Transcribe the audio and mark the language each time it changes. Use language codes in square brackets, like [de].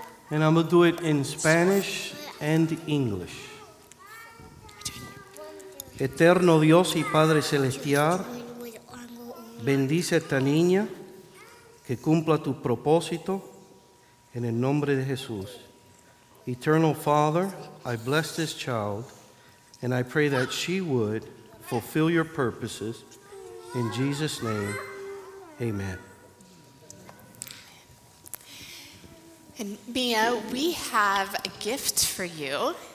[en] And I'm going to do it in Spanish and English. [es] Eterno Dios y Padre Celestial, bendice a esta niña que cumpla tu propósito en el nombre de Jesús. [en] Eternal Father, I bless this child and I pray that she would fulfill your purposes. In Jesus' name, amen. And Mia, we have a gift for you.